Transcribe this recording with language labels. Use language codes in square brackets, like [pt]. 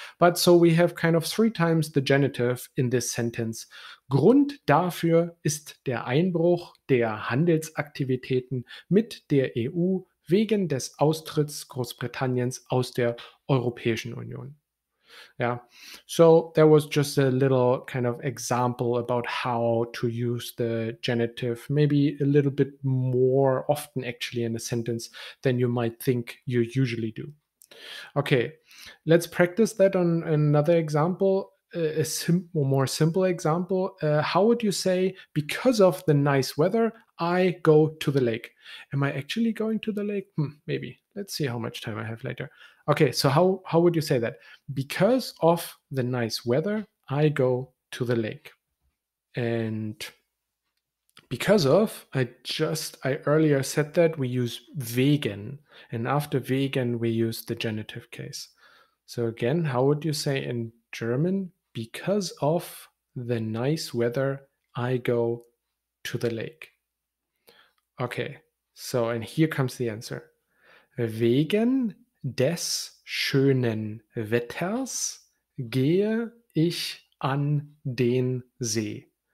[en] But so we have kind of three times the genitive in this sentence. [de] Grund dafür ist der Einbruch der Handelsaktivitäten mit der EU wegen des Austritts Großbritanniens aus der Europäischen Union. [en] Yeah. So there was just a little kind of example about how to use the genitive, maybe a little bit more often actually in a sentence than you might think you usually do. Okay, let's practice that on another example, a more simple example. How would you say, because of the nice weather, I go to the lake? Am I actually going to the lake? Maybe. Let's see how much time I have later. Okay, so how would you say that? Because of the nice weather, I go to the lake. And because of, I earlier said that we use wegen. And after wegen, we use the genitive case. So again, how would you say in German, because of the nice weather, I go to the lake? Okay, so and here comes the answer. [de] Wegen des schönen Wetters gehe ich an den See.